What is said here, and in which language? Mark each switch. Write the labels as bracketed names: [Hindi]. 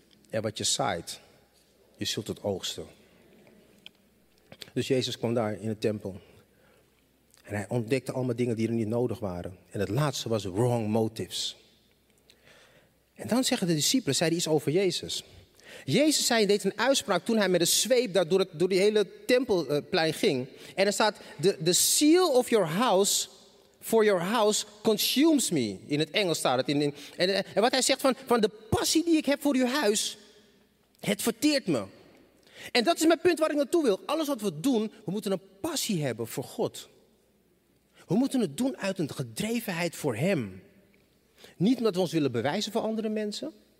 [Dutch] En wat je zaait, je zult het oogsten. Dus Jezus kwam daar in de tempel. En hij ontdekte allemaal dingen die er niet nodig waren. En het laatste was [English] wrong motives. [Dutch] En dan zeggen de discipelen, zeiden iets over Jezus. Jezus zei, deed een uitspraak toen hij met een zweep daar door die hele tempelplein ging. En er staat, [English] the seal of your house, for your house, consumes me. [Dutch] In het Engels staat het. En wat hij zegt van de passie die ik heb voor uw huis, het verteert me. En dat is mijn punt waar ik naartoe wil. Alles wat we doen, we moeten een passie hebben voor God. We moeten het doen uit een gedrevenheid voor hem. Niet omdat we ons willen bewijzen voor andere mensen.